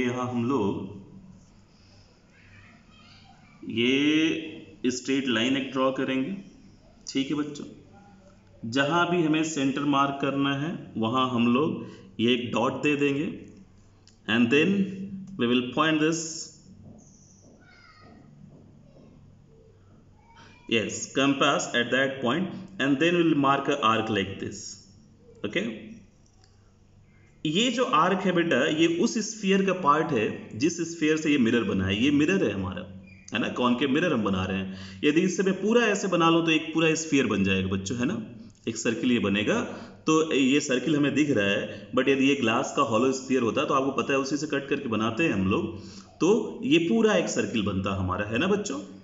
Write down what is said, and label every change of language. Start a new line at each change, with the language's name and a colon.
Hindi: यहां हम लोग ये स्ट्रेट लाइन एक ड्रॉ करेंगे, ठीक है बच्चों. जहां भी हमें सेंटर मार्क करना है वहां हम लोग ये एक डॉट दे देंगे
English: And then we will point this. Yes, compass at that point and then we'll mark an arc like this. Okay?
Hindi: ये जो आर्क है बेटा ये उस स्फीयर का पार्ट है जिस स्फीयर से ये मिरर बना है. ये मिरर है हमारा, है ना, कौन के मिरर हम बना रहे हैं. यदि इससे मैं पूरा ऐसे बना लूं तो एक पूरा स्फीयर बन जाएगा बच्चों, है ना, एक सर्किल ये बनेगा. तो ये सर्किल हमें दिख रहा है बट यदि ये ग्लास का हॉलो स्फीयर होता तो आपको पता है उसी से कट करके बनाते हैं हम लोग, तो ये पूरा एक सर्किल बनता हमारा, है ना बच्चों.